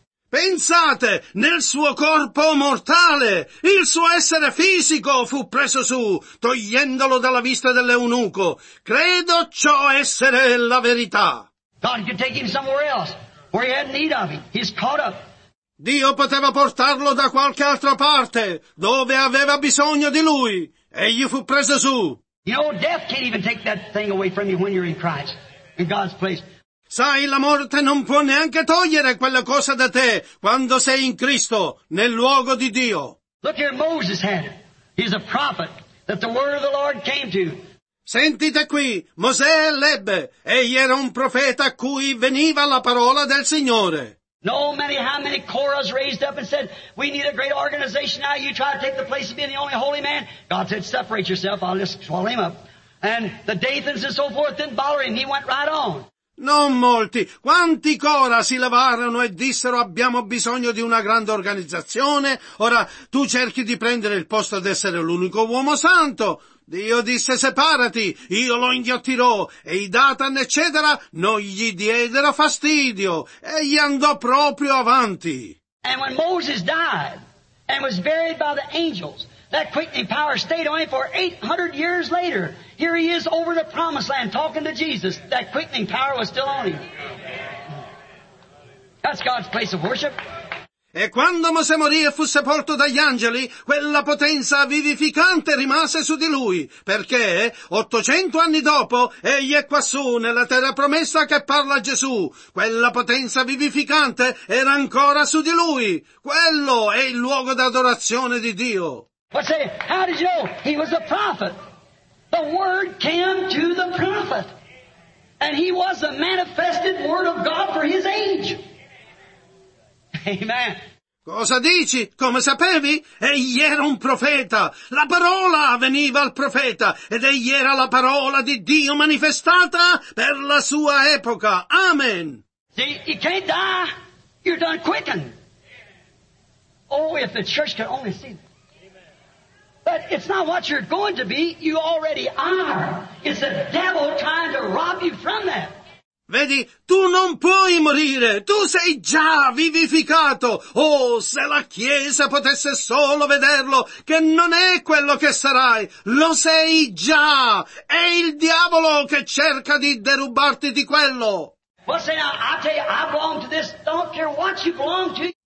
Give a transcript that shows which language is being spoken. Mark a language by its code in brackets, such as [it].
[it] Pensate, nel suo corpo mortale, il suo essere fisico fu preso su, togliendolo dalla vista dell'eunuco. Credo ciò essere la verità. [en] God could take him somewhere else, where he had need of him. He's caught up. [it] Dio poteva portarlo da qualche altra parte, dove aveva bisogno di lui. Egli fu preso su. [en] You know, death can't even take that thing away from you when you're in Christ, in God's place. [it] Sai, la morte non può neanche togliere quella cosa da te quando sei in Cristo, nel luogo di Dio. [en] Look here, Moses had it. He's a prophet that the word of the Lord came to. [it] Sentite qui, Mosè l'ebbe. Egli era un profeta a cui veniva la parola del Signore. [en] No matter how many Korahs raised up and said, we need a great organization now, you try to take the place of being the only holy man. God said, separate yourself, I'll just swallow him up. And the Dathans and so forth didn't bother him, he went right on. [it] Non molti. Quanti Korah si levarono e dissero, abbiamo bisogno di una grande organizzazione, ora tu cerchi di prendere il posto ad essere l'unico uomo santo. Dio disse, separati, io lo inghiottirò, e i Datan, eccetera, non gli diedero fastidio, e gli andò proprio avanti. [en] And when Moses died, and was buried by the angels, that quickening power stayed on him for 800 years later. Here he is over the promised land, talking to Jesus, that quickening power was still on him. That's God's place of worship. [it] E quando Mosè morì e fu sepolto dagli angeli, quella potenza vivificante rimase su di lui, perché 800 anni dopo egli è quassù nella terra promessa che parla Gesù. Quella potenza vivificante era ancora su di lui. Quello è il luogo d'adorazione di Dio. [en] But say, how did you know? He was a prophet. The word came to the prophet. And he was the manifested word of God for his age. Amen. [it] Cosa dici? Come sapevi? Egli era un profeta. La parola veniva al profeta ed egli era la parola di Dio manifestata per la sua epoca. Amen. [en] See, you can't die. You're done quickened. Oh, if the church could only see that. But it's not what you're going to be. You already are. It's the devil trying to rob you from that. [it] Vedi, tu non puoi morire, tu sei già vivificato. Oh, se la Chiesa potesse solo vederlo, che non è quello che sarai, lo sei già. È il diavolo che cerca di derubarti di quello. [en] Well, say now, I tell you, I belong to this, don't care what you belong to.